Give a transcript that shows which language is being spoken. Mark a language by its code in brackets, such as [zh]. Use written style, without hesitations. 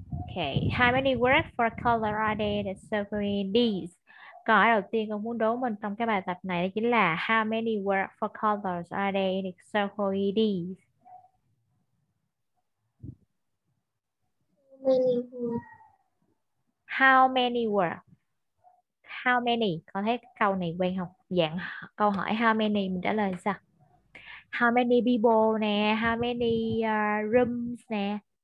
[en] Okay, how many words for color are there that serve in these? [vi] Câu hỏi đầu tiên con muốn đố mình trong cái bài tập này đó chính là [en] how many words for colors are there in the circle in these? How many words? How many? [vi] Con thấy câu này quen không? Dạng câu hỏi how many mình trả lời sao? [en] How many people nè, how many rooms nè.